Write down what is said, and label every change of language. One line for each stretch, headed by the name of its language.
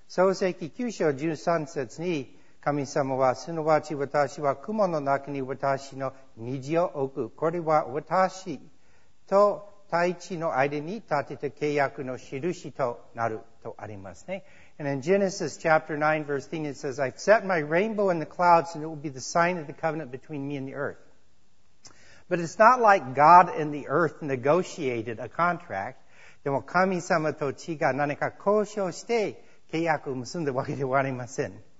Japanese: 聖書の中にこのような聖約はたくさんあります。ノアの物語も学んできました。これはノアは神様に捧げ物、感謝の捧げしていますけど、ノアは神様に契約をいただいて全地のための契約でした。創世記9章13節に 神様は、すなわち私は雲の中に私の虹を置く。これは私と大地の間に立てた契約の印となるとありますね。
English: And in Genesis chapter 9 verse 10 it says, I've set my rainbow in the clouds and it will be the sign of the covenant between me and the earth. But it's not like God and the earth negotiated a contract.
Japanese: でも神様と地が何か交渉して契約を結んだわけではありません。